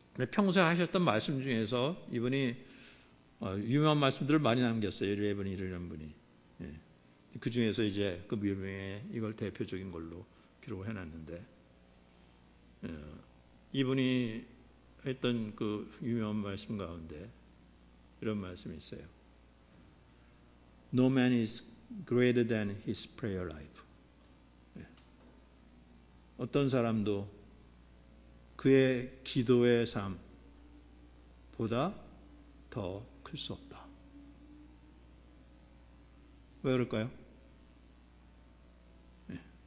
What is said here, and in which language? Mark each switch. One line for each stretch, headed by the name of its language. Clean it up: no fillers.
Korean: 평소에 하셨던 말씀 중에서 이분이 유명한 말씀들을 많이 남겼어요. 레버니라는 분이. 예. 그 중에서 이제 그 묘명에 이걸 대표적인 걸로 기록을 해놨는데 이분이 했던 그 유명한 말씀 가운데 이런 말씀이 있어요.
English: No man is greater than his prayer life.
Korean: 예. 어떤 사람도 그의 기도의 삶 보다 더 클 수 없다. 왜 그럴까요? 네.